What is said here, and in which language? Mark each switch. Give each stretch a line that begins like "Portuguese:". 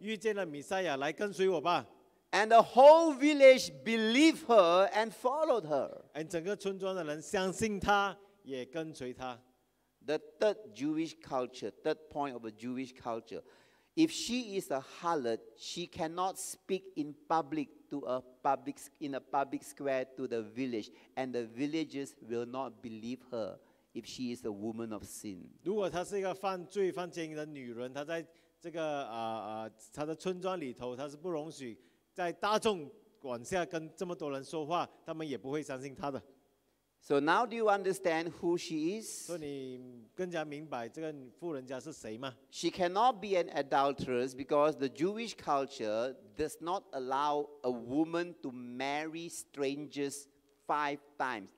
Chinese: 她告诉村里的人说，哎，我遇见了弥赛亚，来跟随我吧。
English: And the whole village believed her and followed her. And
Chinese: 整个村庄的人相信她，也跟随她。
English: The third Jewish culture, third point of a Jewish culture. If she is a harlot, she cannot speak in public to a public in a public square to the village, and the villagers will not believe her if she is a woman of sin.
Chinese: 如果她是一个犯罪、犯奸淫的女人，她在这个她的村庄里头，她是不容许。在大众广下跟这么多人说话，他们也不会相信他的。
English: So now do you understand who she is?
Chinese: 所以你更加明白这个妇人家是谁吗？
English: She cannot be an adulteress because the Jewish culture does not allow a woman to marry strangers five times.